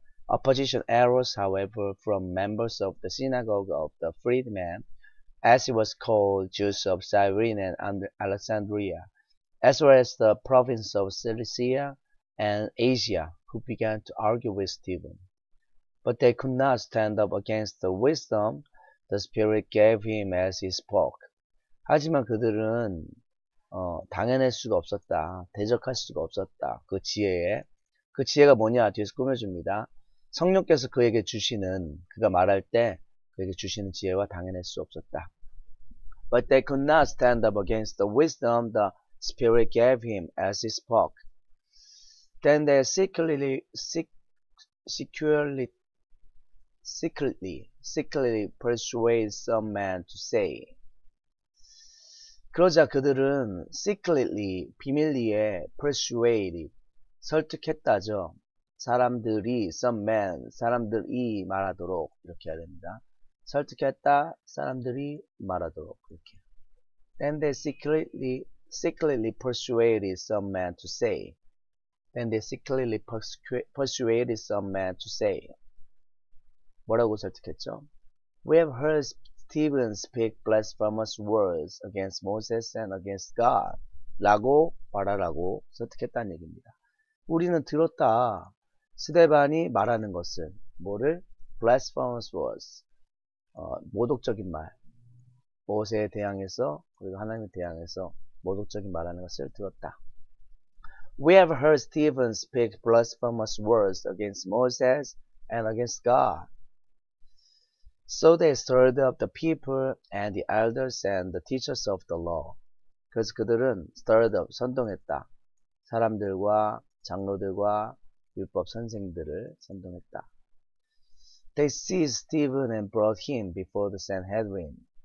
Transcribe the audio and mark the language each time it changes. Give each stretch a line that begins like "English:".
English: Opposition arose, however, from members of the synagogue of the freedmen, as it was called, Jews of Cyrene and Alexandria, as well as the province of Cilicia and Asia, who began to argue with Stephen. But they could not stand up against the wisdom the Spirit gave him as he spoke.
Korean: 하지만 그들은 당해낼 수가 없었다. 대적할 수가 없었다. 그 지혜에. 그 지혜가 뭐냐? 뒤에서 꾸며줍니다. 성령께서 그에게 주시는, 그가 말할 때 그에게 주시는 지혜와 당해낼 수 없었다.
English: But they could not stand up against the wisdom the Spirit gave him as he spoke. Then they secretly persuade some man to say.
Korean: 그러자 그들은 secretly, 비밀리에 persuade, 설득했다죠. 사람들이, some man, 사람들이 말하도록, 이렇게 해야 됩니다. 설득했다, 사람들이 말하도록, 이렇게.
English: Then they secretly persuaded some man to say. Then they secretly persuaded some man to say.
Korean: 뭐라고 설득했죠?
English: We have heard Stephen speak blasphemous words against Moses and against God.
Korean: 라고 말하라고 설득했다는 얘기입니다. 우리는 들었다. 스데반이 말하는 것은, 뭐를?
English: Blasphemous words.
Korean: 모독적인 말. 모세에 대항해서, 그리고 하나님에 대항해서 모독적인 말하는 것을 들었다.
English: We have heard Stephen speak blasphemous words against Moses and against God. So they stirred up the people and the elders and the teachers of the law.
Korean: 그래서 그들은 stirred up, 선동했다. 사람들과 장로들과 율법 선생들을 선동했다.
English: They seized Stephen and brought him before the Sanhedrin.